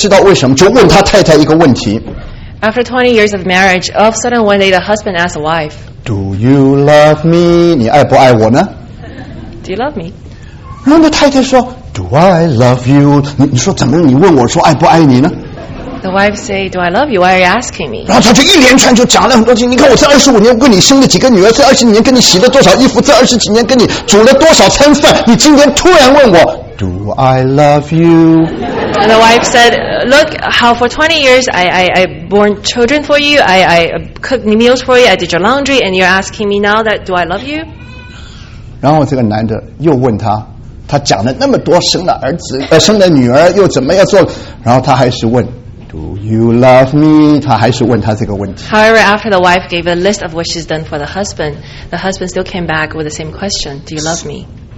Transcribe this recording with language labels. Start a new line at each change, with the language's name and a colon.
Chinese: 他们两个人结婚了20几年以后，突然这个丈夫不知道为什么就问他太太一个问题。
English: After 20 years of marriage, all of a sudden one day the husband asked the wife, "Do you love me?"
Chinese: 你爱不爱我呢？
English: Do you love me?
Chinese: 然后那太太说，
English: "Do I love you?"
Chinese: 你说怎么你问我说爱不爱你呢？
English: The wife say, "Do I love you? Why are you asking me?"
Chinese: 然后他就一连串就讲了很多句。你看我这25年跟你生了几个女儿，这20年跟你洗了多少衣服，这20几年跟你煮了多少餐饭，你今天突然问我，
English: "Do I love you?" And the wife said, "Look, how for 20 years I born children for you, I cooked meals for you, I did your laundry, and you're asking me now that do I love you?"
Chinese: 然后这个男的又问他。他讲了那么多生了女儿又怎么样做，然后他还是问，
English: "Do you love me?"
Chinese: 他还是问他这个问题。
English: However, after the wife gave a list of what she's done for the husband still came back with the same question, "Do you love me?"